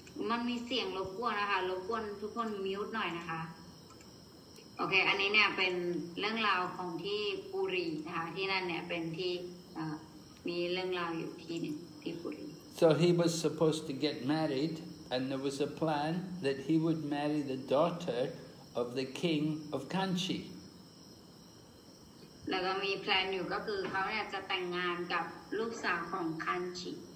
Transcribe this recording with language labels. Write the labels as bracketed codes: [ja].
[th] มันมีเสียงรบกวนนะคะรบกวนทุกคนมิวท์หน่อยนะคะโอเคอันนี้เนี่ยเป็นเรื่องราวของที่ปุรีนะคะที่นั่นเนี่ยเป็นที่มีเรื่องราวอยู่ที่นึงที่ปุรี [en] So he was supposed to get married, and there was a plan that he would marry the daughter. Of the king of Kanchi. [th] แล้วก็มีแพลนอยู่ก็คือเขาเนี่ยจะแต่งงานกับลูกสาวของ Kanchi.